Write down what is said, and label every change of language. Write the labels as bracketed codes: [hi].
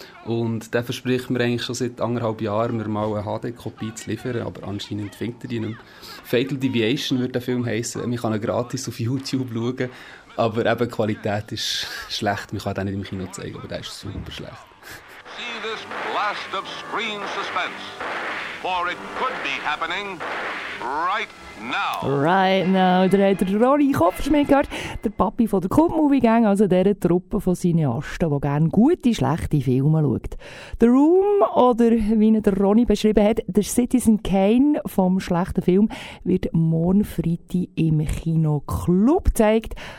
[de] Und der verspricht mir eigentlich schon seit anderthalb Jahren, mir mal eine HD-Kopie zu liefern, aber anscheinend findet er die nicht. Fatal Deviation wird der Film heissen. Man kann ihn gratis auf YouTube schauen. Aber eben, die Qualität ist schlecht. Man kann den nicht im Kino zeigen, aber der ist super schlecht. [en] See this blast of screen suspense, for it could be happening right now. Right now. [de] Da hat der Ronny Kopfschmied gehört, der Papi von der Cult-Movie-Gang, also dieser Truppe von Cineasten, die gerne gute, schlechte Filme schaut. The Room, oder wie ihn der Ronny beschrieben hat, der Citizen Kane vom schlechten Film, wird morgen Freitag im Kino-Club gezeigt.